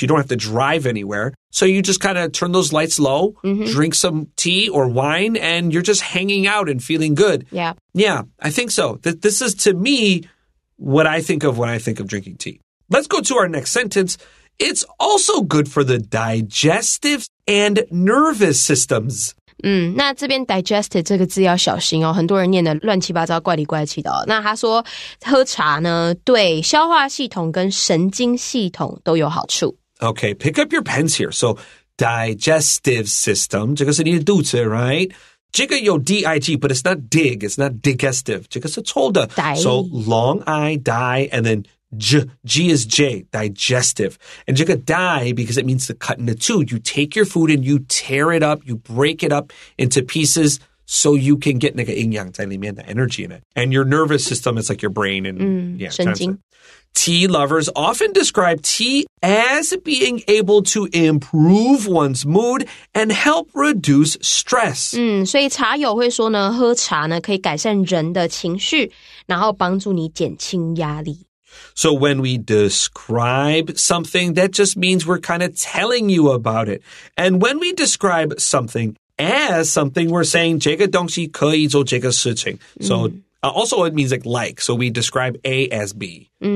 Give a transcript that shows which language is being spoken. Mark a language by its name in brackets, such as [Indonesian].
[English] You don't have to drive anywhere. So you just kind of turn those lights low, drink some tea or wine, and you're just hanging out and feeling good. Yeah. Yeah, I think so. This is, to me, what I think of when I think of drinking tea. Let's go to our next sentence. It's also good for the digestive and nervous systems. [Chinese] 那这边 digestive 这个字要小心哦，很多人念的乱七八糟、怪里怪气的哦。那他说喝茶呢，对消化系统跟神经系统都有好处。 [English] Okay, pick up your pens here. So digestive system, [Chinese] 这个是你的肚子 [English] right? [Chinese] 这个有 [English] D-I-G, but it's not dig, it's not digestive. [Chinese] 这个是错的。 [English] So long I die, and then G is J, digestive. And 这个 die, because it means to cut into two. You take your food and you tear it up, you break it up into pieces so you can get [Chinese] 那个营养在里面的 [English] energy in it. And your nervous system is like your brain and [Chinese] 神经。 [English] Tea lovers often describe tea as being able to improve one's mood and help reduce stress. [Chinese] 所以茶友会说呢，喝茶呢可以改善人的情绪，然后帮助你减轻压力。 [English] So when we describe something, that just means we're kind of telling you about it. And when we describe something as something, we're saying [Chinese] 这个东西可以做这个事情。 [English] So also, it means like. So we describe A as B.